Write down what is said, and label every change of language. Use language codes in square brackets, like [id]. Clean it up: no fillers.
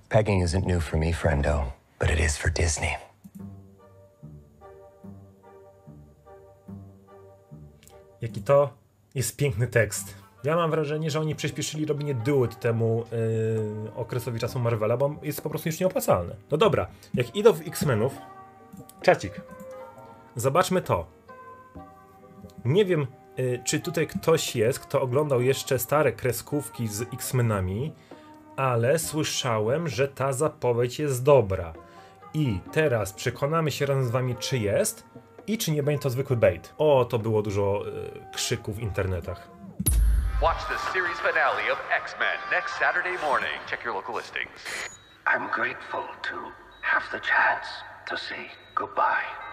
[en] Pegging isn't new for me, friendo, but it is for Disney. [pl] Jaki to jest piękny tekst. Ja mam wrażenie, że oni przyspieszyli robienie duet temu okresowi czasu Marvela, bo jest po prostu już nieopłacalne. No dobra, jak idą w X-Menów... Czacik. Zobaczmy to. Nie wiem, czy tutaj ktoś jest, kto oglądał jeszcze stare kreskówki z X-Menami, ale słyszałem, że ta zapowiedź jest dobra. I teraz przekonamy się razem z wami, czy jest i czy nie będzie to zwykły bait. O, to było dużo krzyków w internetach. [en] Watch the series finale of X-Men next Saturday morning. Check your local listings. I'm grateful to have the chance to say goodbye.